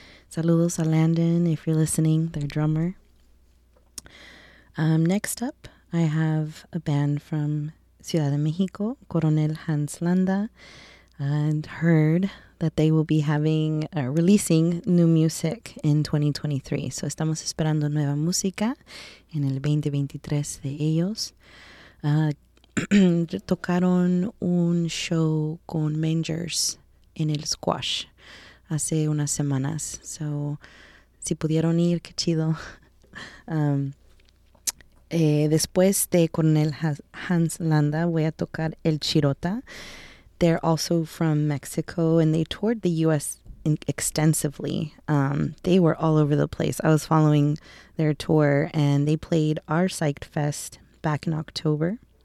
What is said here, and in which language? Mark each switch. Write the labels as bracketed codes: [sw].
[es] Saludos a Landon, [en] if you're listening, their drummer. Next up, I have a band from Ciudad de Mexico, Coronel Hans Landa, and heard that they will be having releasing new music in 2023. [es] So estamos esperando nueva música en el 2023 de ellos. tocaron un show con Mangers en el Squash hace unas semanas. So si pudieron ir, qué chido. Después de Coronel Hans Landa, voy a tocar El Chirota. [en] They're also from Mexico, and they toured the U.S. extensively. They were all over the place. I was following their tour, and they played our Psyched Fest back in October.